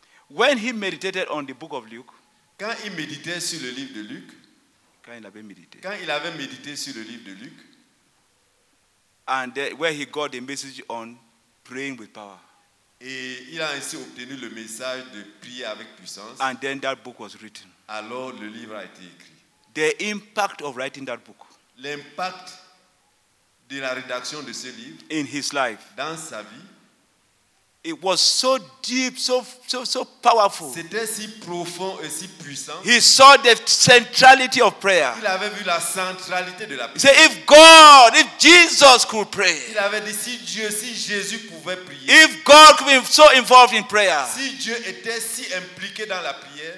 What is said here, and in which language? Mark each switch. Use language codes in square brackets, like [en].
[en] When he meditated on the book of Luke, [fr] quand il méditait sur le livre de Luc, quand il avait médité sur le livre de Luc, [en] and where he got the message on praying with power. [fr] Et il a ainsi obtenu le message de prier avec puissance. [en] And then that book was written. [fr] Alors le livre a été écrit. [en] The impact of writing that book. [fr] L'impact de la rédaction de ce livre. [en] In his life. [fr] Dans sa vie. [en] It was so deep, so powerful. [fr] C'était si profond et si puissant. [en] He saw the centrality of prayer. [fr] Il avait vu la centralité de la prière. [en] He said, if God, if Jesus could pray. [fr] Il avait dit, si Dieu, si Jésus pouvait prier. [en] If God could be so involved in prayer. [fr] Si Dieu était si impliqué dans la prière.